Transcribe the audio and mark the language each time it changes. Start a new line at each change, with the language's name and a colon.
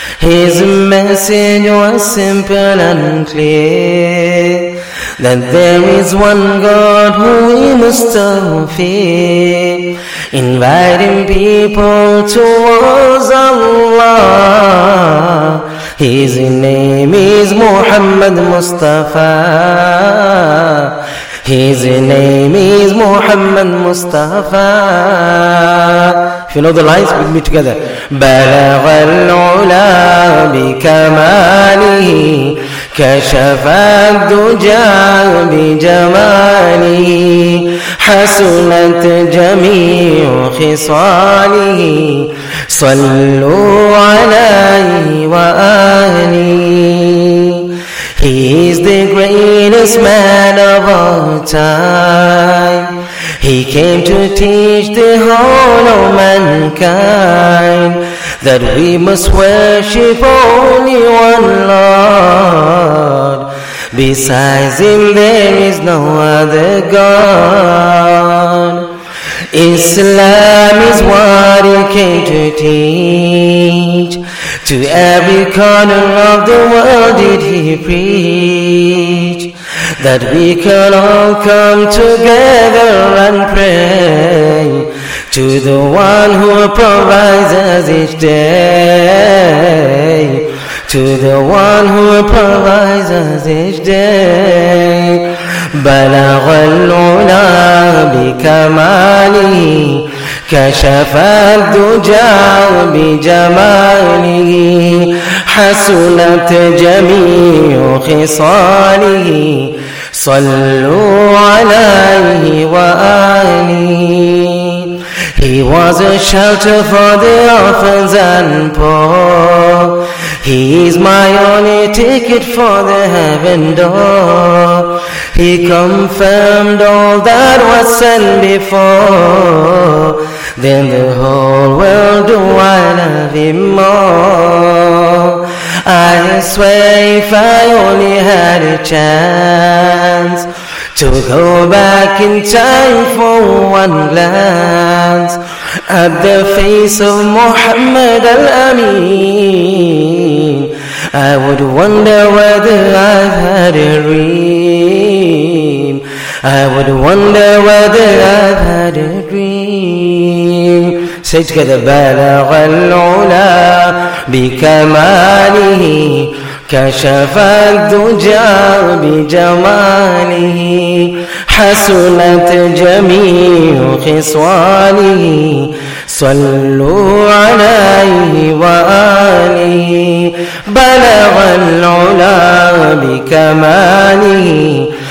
English: His message was simple and clear, that there is one God who we must fear, inviting people towards Allah. His name is Muhammad Mustafa. His name is Muhammad Mustafa. If you know the lines with me together.
Arabic: بلغ العلا بكماله كشف الدجى بجماله حسنت جميع خصاله صلوا عليه وآله.
English: He is the greatest man of all time. He came to teach the whole of mankind that we must worship only one Lord. Besides him, there is no other God. Islam is what he came to teach. To every corner of the world did he preach that we can all come together and pray to the one who provides us each day, to the one who provides us each day.
Arabic: بلغ العلا بكماله كشف الدجى بجماله حسنت جميع خصاله صلوا عليه وآله.
English: He was a shelter for the orphans and poor. He is my only ticket for the heaven door. He confirmed all that was said before. Then the whole world do I love him more. I swear if I only had a chance to go back in time for one glance at the face of Muhammad al-Amin, I would wonder whether I've had a dream. I would wonder whether I've had a dream. Say together,
Arabic: بلغ العلا بكماله كشف الدجى بجماله حسنت جميع خصاله صلوا عليه وآله بلغ العلا بكماله